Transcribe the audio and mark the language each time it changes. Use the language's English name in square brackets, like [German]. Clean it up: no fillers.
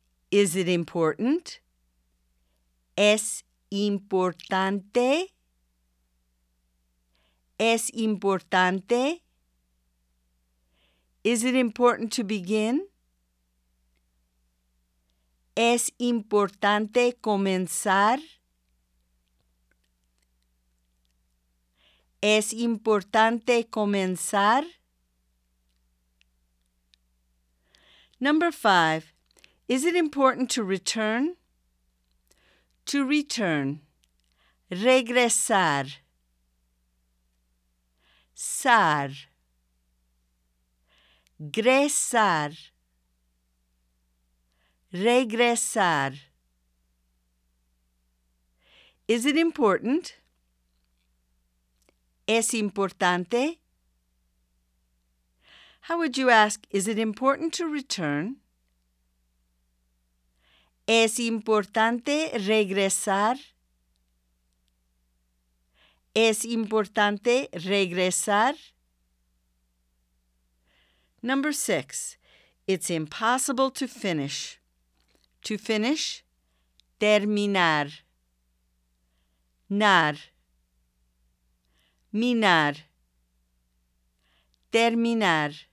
[English] Is it important? [Spanish] Es importante. Es importante. [English] Is it important to begin? [Spanish] Es importante comenzar. Es importante comenzar. [English] Number 5. Is it important to return? To return. Regresar. Sar. Gresar. [Spanish] Regresar. [English] Is it important? [Spanish] Es importante. [English] How would you ask, is it important to return? [Spanish] Es importante regresar. Es importante regresar. [English] Number 6. It's impossible to finish. To finish, [Spanish] terminar. Nar. Minar. Terminar.